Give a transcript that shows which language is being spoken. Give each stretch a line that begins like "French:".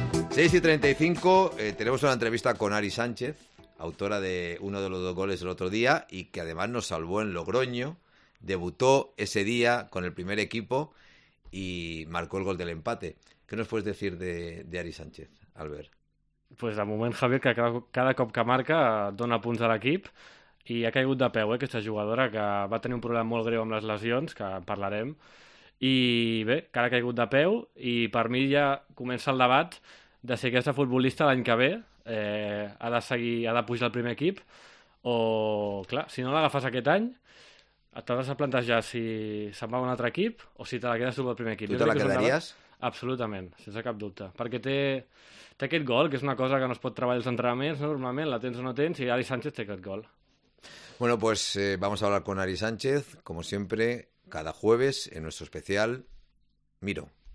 Spanish: 6:35, tenemos una entrevista con Ari Sánchez, autora de uno de los dos goles del otro día y que además nos salvó en Logroño. Debutó ese día con el primer equipo y marcó el gol del empate. ¿Qué nos puedes decir de Ari Sánchez, Albert?
Catalan: Pues de moment, Javier, que cada cop que marca dona punts a l'equip. I ha caigut de peu, aquesta jugadora, que va tenir un problema molt greu amb les lesions, que en parlarem. I bé, que ara ha caigut de peu i per mi ja comença el debat de si aquesta futbolista l'any que ve ha de pujar al primer equip o, clar, si no l'agafes aquest any, t'hauràs de plantejar si se'n va a un altre equip o si te la quedes tu pel primer equip. Tu te la quedaries? Absolutament, sense cap dubte. Perquè té aquest gol, que és una cosa que no es pot treballar als entrenaments, no? Normalment la tens o no tens, i Ari Sánchez té aquest gol.
Spanish: Bueno, pues vamos a hablar con Ari Sánchez, como siempre, cada jueves, en nuestro especial Miro.